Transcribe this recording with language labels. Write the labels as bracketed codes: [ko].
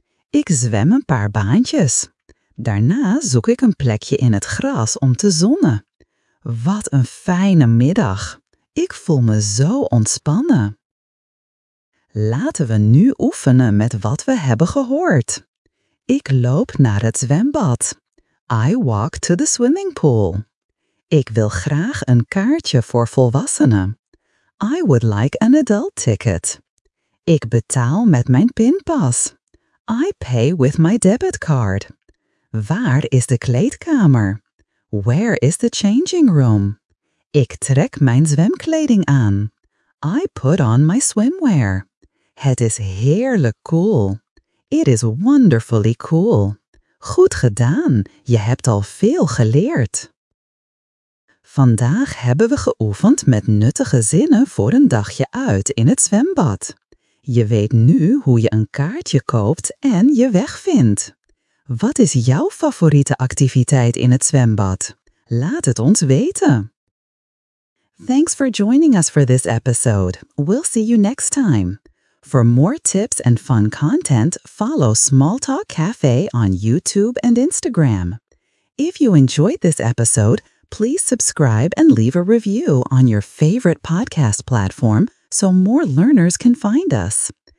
[nl] Ik zwem een paar baantjes. Daarna zoek ik een plekje in het gras om te zonnen. Wat een fijne middag. Ik voel me zo ontspannen. Laten we nu oefenen met wat we hebben gehoord. Ik loop naar het zwembad. [en] I walk to the swimming pool. [nl] Ik wil graag een kaartje voor volwassenen. [en] I would like an adult ticket. [nl] Ik betaal met mijn pinpas. [en] I pay with my debit card. [nl] Waar is de kleedkamer? [en] Where is the changing room? [nl] Ik trek mijn zwemkleding aan. [en] I put on my swimwear. [nl] Het is heerlijk koel. [en] It is wonderfully cool. [nl] Goed gedaan. Je hebt al veel geleerd. Vandaag hebben we geoefend met nuttige zinnen voor een dagje uit in het zwembad. Je weet nu hoe je een kaartje koopt en je weg vindt. Wat is jouw favoriete activiteit in het zwembad? Laat het ons weten. [en] Thanks for joining us for this episode. We'll see you next time. For more tips and fun content, follow Small Talk Cafe on YouTube and Instagram. If you enjoyed this episode, please subscribe and leave a review on your favorite podcast platform so more learners can find us.